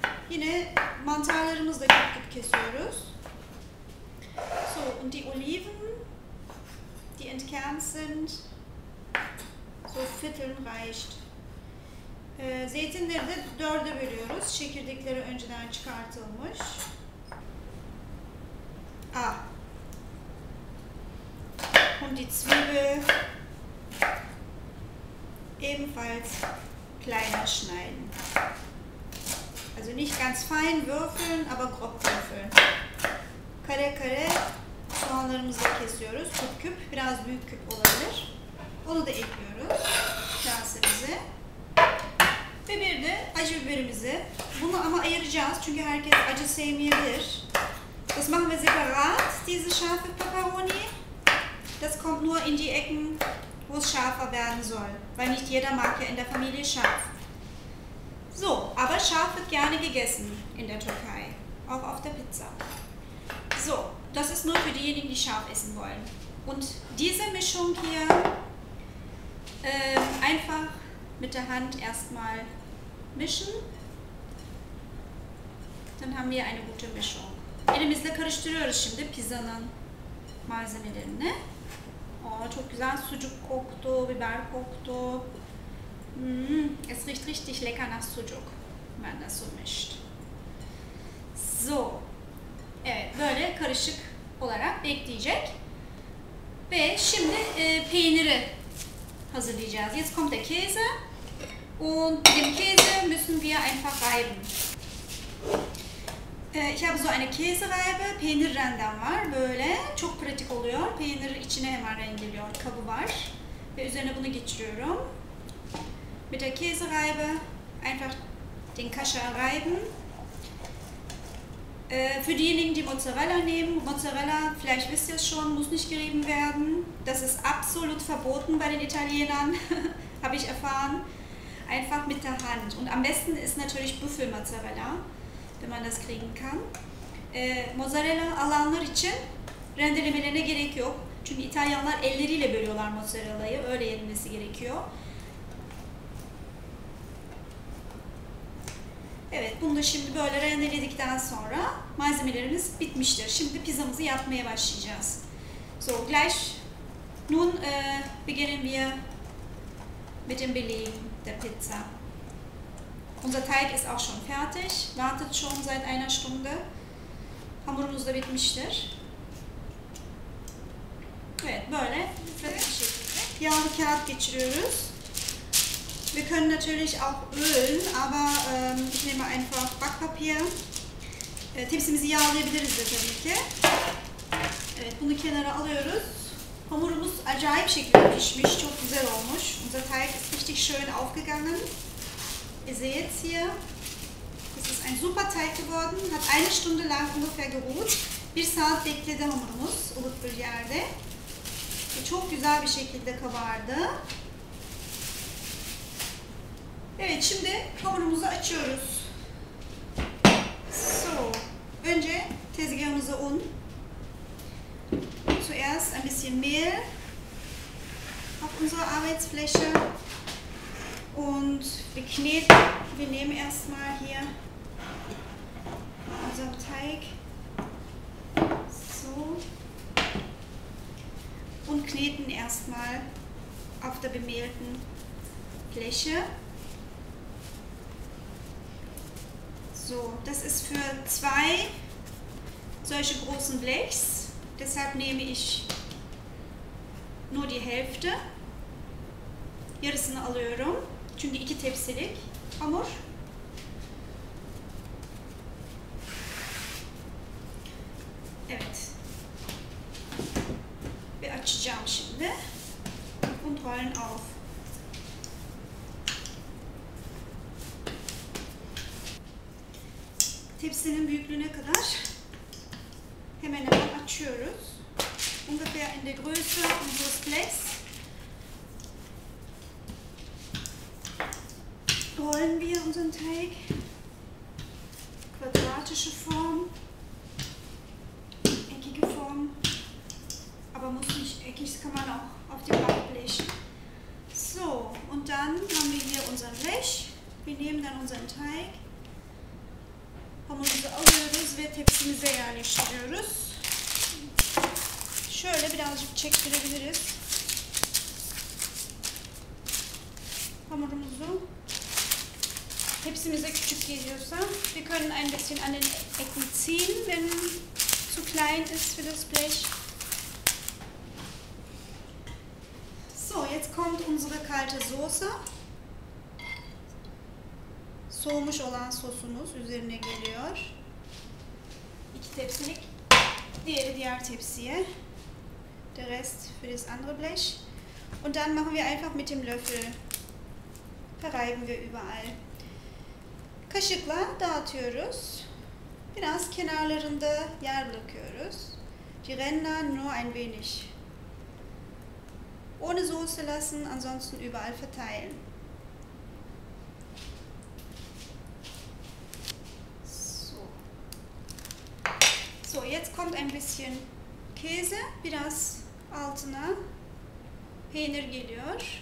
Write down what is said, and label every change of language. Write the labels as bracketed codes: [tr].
[tr] Yine mantarlarımızı da küp küp kesiyoruz. [de] So, und die Oliven, die entkernt sind, so vierteln reicht. [tr] Zeytinleri de dörde bölüyoruz. Çekirdekleri önceden çıkartılmış. Ah. [de] Und die Zwiebel ebenfalls kleiner schneiden. Also nicht ganz fein würfeln, aber grob würfeln. [tr] Kare kare soğanlarımızı kesiyoruz. Küp küp, biraz büyük küp olabilir. Onu da ekliyoruz. Kasemize. Ve bir de acı biberimizi. Bunu ama ayıracağız çünkü herkes acı sevmeyebilir. [de] Das machen wir separat, diese scharfe Peperoni. Das kommt nur in die Ecken, wo es scharfer werden soll. Weil nicht jeder mag ja in der Familie scharf. So, aber scharf wird gerne gegessen in der Türkei. Auch auf der Pizza. So, das ist nur für diejenigen, die scharf essen wollen. Und diese Mischung hier einfach mit der Hand erstmal mischen. Dann haben wir eine gute Mischung. [tr] Elimizle karıştırıyoruz şimdi pizzanın malzemelerini. Oh, çok güzel sucuk koktu, biber koktu. [de] Mm, es riecht richtig lecker nach sucuk, wenn man das so mischt. [tr] So, evet, böyle karışık olarak bekleyecek. Ve şimdi peyniri hazırlayacağız. [de] Jetzt kommt der Käse. Und den Käse müssen wir einfach reiben. Ich habe so eine Käsereibe, [tr] Peynirrenden var, böyle çok pratik oluyor. Peynir içine hemen rendeliyor, kabı var ve üzerine bunu geçiriyorum. [de] Mit der Käsereibe einfach den Kaşar reiben. Für diejenigen, die Mozzarella nehmen, Mozzarella, vielleicht wisst ihr es schon, muss nicht gerieben werden. Das ist absolut verboten bei den Italienern, habe ich erfahren. Einfach mit der Hand und am besten ist natürlich Büffelmozzarella. Wenn man das kriegen kann. [tr] Mozzarella alanlar için rendelemelerine gerek yok. Çünkü İtalyanlar elleriyle bölüyorlar mozzarella'yı. Öyle yenilmesi gerekiyor. Evet, bunu da şimdi böyle rendeledikten sonra malzemelerimiz bitmiştir. Şimdi pizzamızı yapmaya başlayacağız. [de] So, gleich nun beginnen wir mit dem Belegen der Pizza. Unser Teig ist auch schon fertig, wartet schon seit einer Stunde. [tr] Hamurumuz da bitmiştir. Evet, böyle pratik bir şekilde yağlı kağıt geçiriyoruz. [de] Wir können natürlich auch ölen, aber ich nehme einfach Backpapier. [tr] Tepsimizi yağlayabiliriz de tabii ki. Evet, bunu kenara alıyoruz. Hamurumuz acayip şekilde pişmiş, çok güzel olmuş. [de] Unser Teig ist richtig schön aufgegangen. Ihr seht hier, es ist ein super Teig geworden, hat eine Stunde lang ungefähr geruht. [tr] Bir saat bekledi hamurumuz, ılık bir yerde. Ve çok güzel bir şekilde kabardı. Evet, şimdi hamurumuzu açıyoruz. So, önce tezgahımıza un. [de] Zuerst ein bisschen Mehl auf unserer Arbeitsfläche. Und wir kneten, wir nehmen erstmal hier unseren Teig, so, und kneten erstmal auf der bemehlten Fläche. So, das ist für zwei solche großen Blechs, deshalb nehme ich nur die Hälfte. [tr] yarısını alıyorum. Çünkü iki tepsilik hamur. Evet. Ve açacağım şimdi. [de] Und rollen auf. [tr] Tepsinin büyüklüğüne kadar hemen hemen açıyoruz. [de] Ungefähr in der Größe unseres Blechs. Rollen wir unseren Teig. Quadratische Form. Eckige Form. Aber muss nicht eckig, das kann man auch auf dem Backblech. So, und dann haben wir hier unser Blech. Wir nehmen dann unseren Teig. [tr] Hamurumuzu alıyoruz ve tepsimize yerleştiriyoruz. Şöyle birazcık çektirebiliriz. Hamurumuzu tepsimize küçük geliyorsa [de] wir können ein bisschen an den Ecken ziehen, wenn zu klein ist für das Blech. So, jetzt kommt unsere kalte Soße. [tr] Soğumuş olan sosumuz üzerine geliyor. İki tepsilik. Diğeri diğer tepsiye. [de] Der Rest für das andere Blech. Und dann machen wir einfach mit dem Löffel. Verreiben wir überall. [tr] Kaşıkla dağıtıyoruz. Biraz kenarlarında yer bırakıyoruz. [de] Die Ränder nur ein wenig. Ohne Soße lassen, ansonsten überall verteilen. So, jetzt kommt ein bisschen Käse, [tr] biraz altına peynir geliyor.